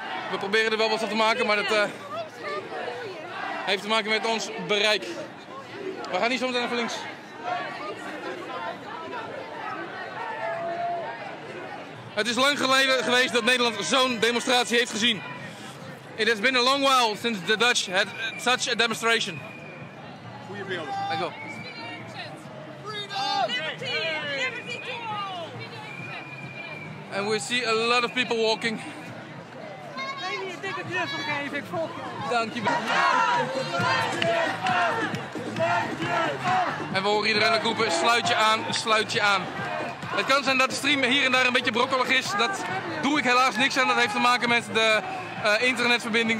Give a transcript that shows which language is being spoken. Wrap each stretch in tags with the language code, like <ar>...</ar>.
<nl>We proberen er wel wat van te maken, maar dat heeft te maken met ons bereik. We gaan niet zometeen even links. Het is lang geleden geweest dat Nederland zo'n demonstratie heeft gezien.</nl> <en>It has been a long while since the Dutch had such a demonstration.</en> <nl>Goeie beelden. Dank je wel.</nl> <en>Freedom! Liberty! Liberty to all! And we see a lot of people walking.</en> <nl>Nee, niet een dikke knuffel geven, ik volg je. Dank je wel. En we horen iedereen ook roepen, sluit je aan, sluit je aan. Het kan zijn dat de stream hier en daar een beetje brokkelig is. Dat doe ik helaas niks aan. Dat heeft te maken met de internetverbinding.</nl>